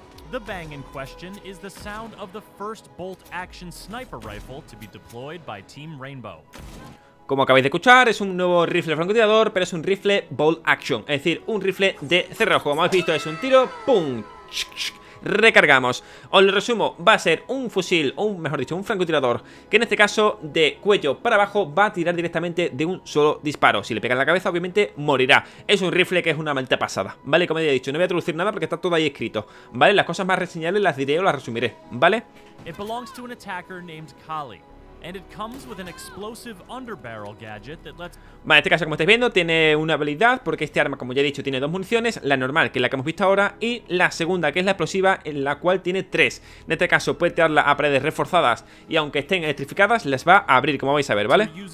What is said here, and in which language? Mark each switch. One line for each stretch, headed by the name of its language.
English: The bang in question is the sound of the first bolt-action sniper rifle to be deployed by Team Rainbow.
Spanish: Como acabáis de escuchar, es un nuevo rifle francotirador, pero es un rifle bolt action, es decir, un rifle de cerrojo. Como habéis visto, es un tiro, pum, recargamos. Os lo resumo, va a ser un fusil, o mejor dicho, un francotirador, que en este caso, de cuello para abajo, va a tirar directamente de un solo disparo. Si le pega en la cabeza, obviamente, morirá. Es un rifle que es una maldita pasada, ¿vale? Como ya he dicho, no voy a traducir nada porque está todo ahí escrito, ¿vale? Las cosas más reseñables las diré o las resumiré, ¿vale?
English: It belongs to an attacker named Kali. And it comes with an explosive underbarrel gadget that lets...
Spanish: Vale, en este caso, como estáis viendo, tiene una habilidad, porque este arma, como ya he dicho, tiene dos municiones, la normal, que es la que hemos visto ahora, y la segunda, que es la explosiva, en la cual tiene tres. En este caso, puede tirarla a paredes reforzadas, y aunque estén electrificadas, les va a abrir, como vais a ver, ¿vale?